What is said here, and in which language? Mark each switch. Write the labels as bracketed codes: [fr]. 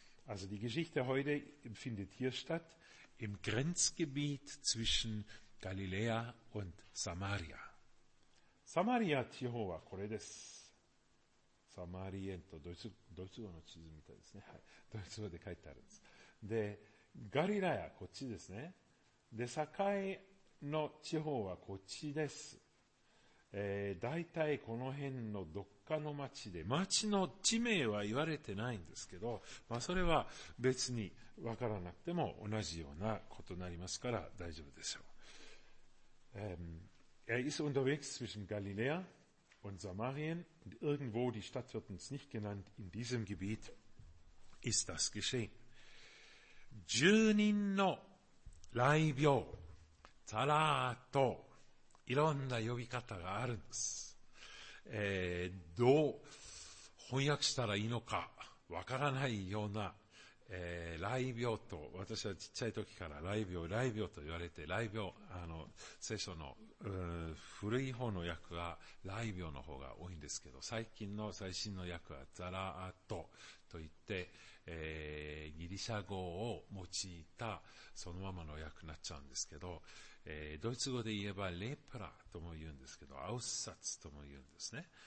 [de] Also die Geschichte heute findet hier statt. Im Grenzgebiet zwischen Galiläa und Samaria. [ja] Samaria 地方はこれです。サマリエント、ドイツ語の地図みたいですね。はい。ドイツ語で書いてあるんです。で、ガリラヤ、こっちですね。で、境の地方はこっちです。大体この辺のどっかの町で、町の地名は言われてないんですけど、まあそれは別に分からなくても同じようなことになりますから大丈夫でしょう。 [de] Ist unterwegs zwischen Galiläa und Samarien, und irgendwo, die Stadt wird uns nicht genannt, in diesem Gebiet ist das geschehen. [ja] 住人の雷病、ザラーと、いろんな呼び方があるんです。どう翻訳したらいいのかわからないような、雷病と、私はちっちゃい時から雷病と言われて、雷病、聖書の、古い方の訳は雷病の方が多いんですけど、最近の最新の訳はザラアトと言って、ギリシャ語を用いたそのままの訳になっちゃうんですけど、ドイツ語で言えばレプラとも言うんですけど、アウッサツとも言うんですね。